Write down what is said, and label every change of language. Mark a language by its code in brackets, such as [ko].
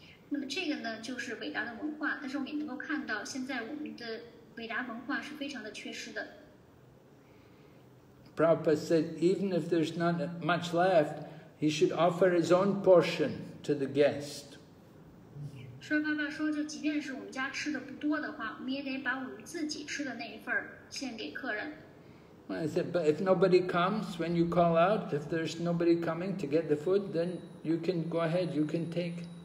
[zh] 那么这个呢，就是伟大的文化，但是我们也能够看到，现在我们的伟大文化是非常的缺失的。Prabhupada [en] said, even if there's not much left, he should offer his own portion to the guest. [zh] 舍爸爸说，就即便是我们家吃的不多的话，我们也得把我们自己吃的那一份献给客人。I [en] said, but if nobody comes when you call out, if there's nobody coming to get the food, then you can go ahead, you can take.